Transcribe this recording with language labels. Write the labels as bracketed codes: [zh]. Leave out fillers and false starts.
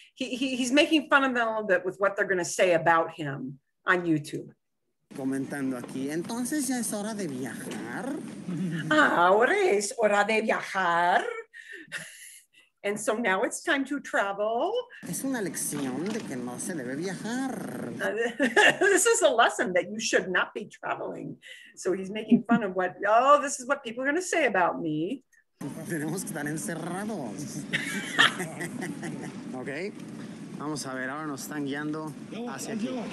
[en] He's making fun of them a little bit with what they're going to say about him on YouTube. [es] Comentando aquí, entonces ya es hora de viajar. Ahora es hora de viajar. [en] And so now it's time to travel. [es] Es una lección de que no se debe viajar. [en] This is a lesson that you should not be traveling. So he's making fun of what, oh, this is what people are going to say about me. [es] Tenemos que estar encerrados. Ok, vamos a ver, ahora nos están guiando hacia aquí.